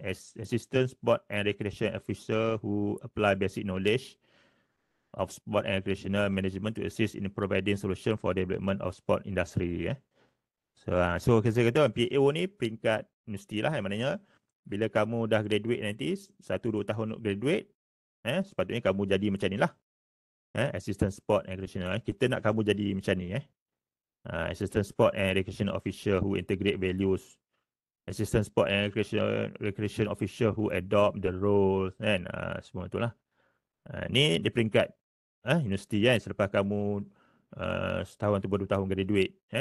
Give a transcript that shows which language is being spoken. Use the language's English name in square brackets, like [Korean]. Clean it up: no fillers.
[English] Assistant Sport and Recreation Officer who apply basic knowledge of sport and recreational management to assist in providing solution for development of sport industry. [Malay] So kita kata PO ni peringkat universiti lah. Maknanya bila kamu dah graduate nanti, 1-2 tahun untuk graduate, sepatutnya kamu jadi macam ni lah. [English] Assistant Sport and Recreational. [Malay] Kita nak kamu jadi macam ni. [English] Assistant Sport and Recreation Officer who integrate values. Assistant Sport and Recreation Officer who adopt the role. [Malay] Kan? Semua tu lah. Ni di peringkat universiti kan, selepas kamu setahun atau 2 tahun graduate.